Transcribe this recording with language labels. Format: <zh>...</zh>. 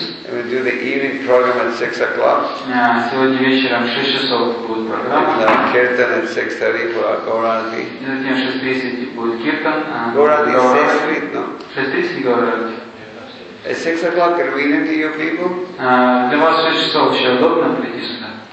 <en>We'll do the evening program at 6 o'clock.</en> <ru>Сегодня вечером 6 часов будет программа.</ru> <en>And kirtan at 6:30 for our Gaurangi.</en> <ru>Затем 6:30 будет kirtan.</ru> <en>Gaurangi 6:30, no? 6:30 Gaurangi. At 6 o'clock convenient to you people?</en> <ru>Для вас 6 часов еще удобно прийти сюда?</ru>